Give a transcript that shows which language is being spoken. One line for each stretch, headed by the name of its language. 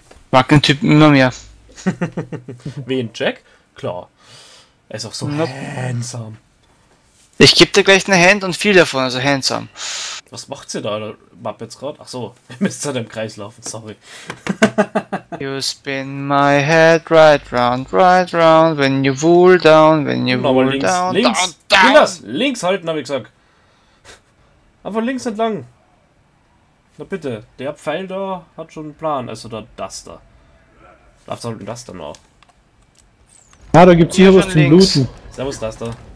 German: Mag den Typen immer mehr. Wen, Jack? Klar. Er ist auch so handsome. Ich geb dir gleich eine Hand und viel davon, also handsome. Was macht sie da, der Map jetzt gerade? Achso, ihr müsst zu dem Kreis laufen, sorry.
English: You spin my head right round, when you wool down.
German: Links,
English: down, down.
German: Das, links halten, hab ich gesagt. Einfach links entlang. Na bitte, der Pfeil da hat schon einen Plan, also da, das da. Darfst du halt das dann auch? Ja, da gibt's hier was zum Looten. Servus, das da.